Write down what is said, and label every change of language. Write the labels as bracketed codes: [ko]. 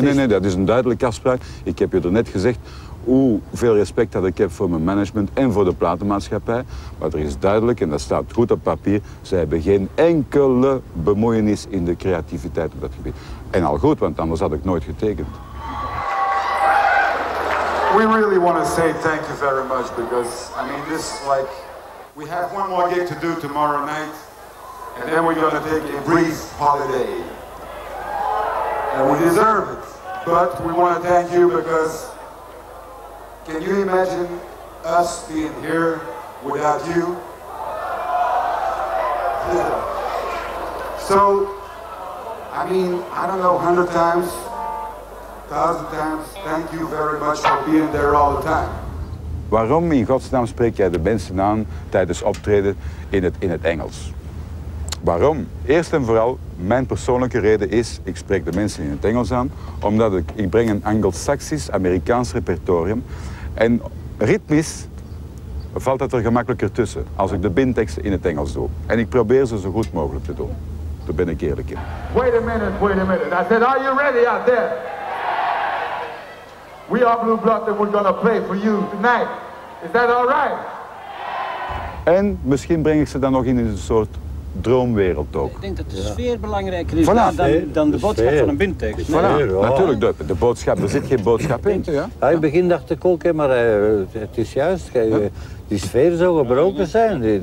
[nl] Nee, dat is een duidelijke afspraak. Ik heb je er net gezegd hoeveel respect dat ik heb voor mijn management en voor de platenmaatschappij. Maar er is duidelijk, en dat staat goed op papier, zij hebben geen enkele bemoeienis in de creativiteit op dat gebied. En al goed, want anders had ik nooit getekend. [en] We really want to say thank you very much, because I mean this is like we have one more gig to do tomorrow night, and then we're gonna take a brief holiday. And we deserve it. But we want to thank you, because can you imagine us being here without you? Yeah. So I mean, I don't know, 100 times. 1000 times, thank you very much for being there all the time. [nl] Waarom in godsnaam spreek jij de mensen aan tijdens optreden in het Engels? Waarom? Eerst en vooral, mijn persoonlijke reden is, ik spreek de mensen in het Engels aan, omdat ik breng een Anglo-Saxisch Amerikaans repertorium. En ritmisch valt dat er gemakkelijker tussen als ik de binteksten in het Engels doe. En ik probeer ze zo goed mogelijk te doen. Daar ben ik eerlijk in. [en] Wait a minute. I said, are you ready out there? We are Blue Blood and we're gonna play for you tonight. Is that all right? [nl] En misschien breng ik ze dan nog in een soort droomwereld ook. Ik denk dat de sfeer belangrijker is dan de boodschap van een bindtekst. Sfeer, voilà. Sfeer, natuurlijk, de boodschap. Er zit geen boodschap in. Ja? Ja, in het begin dacht ik ook, maar het is juist. Die sfeer zou gebroken zijn.